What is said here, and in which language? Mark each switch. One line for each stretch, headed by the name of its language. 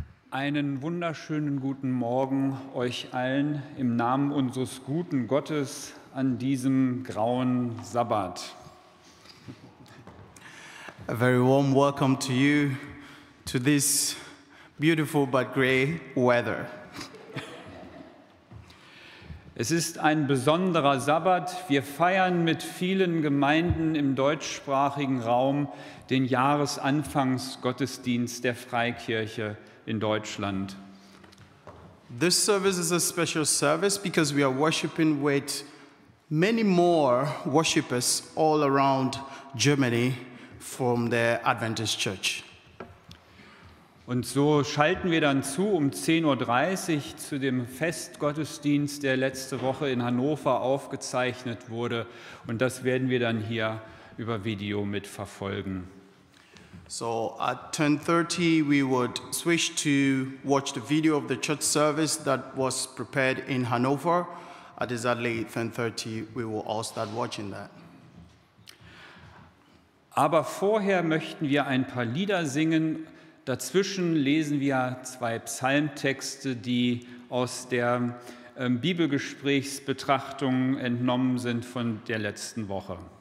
German: Einen wunderschönen guten Morgen euch allen im Namen unseres guten Gottes an diesem grauen Sabbat.
English: A very warm welcome to you to this beautiful but gray weather.
German: Es ist ein besonderer Sabbat. Wir feiern mit vielen Gemeinden im deutschsprachigen Raum den Jahresanfangsgottesdienst der Freikirche in Deutschland.
English: This service is a special service because we are worshiping with many more worshipers all around Germany from the Adventist Church.
German: Und so schalten wir dann zu um 10.30 Uhr zu dem Festgottesdienst, der letzte Woche in Hannover aufgezeichnet wurde. Und das werden wir dann hier über Video mitverfolgen.
English: So at 10.30 we would switch to watch the video of the church service that was prepared in Hannover. At exactly 10.30 we will all start watching that.
German: Aber vorher möchten wir ein paar Lieder singen. Dazwischen lesen wir zwei Psalmtexte, die aus der Bibelgesprächsbetrachtung entnommen sind von der letzten Woche.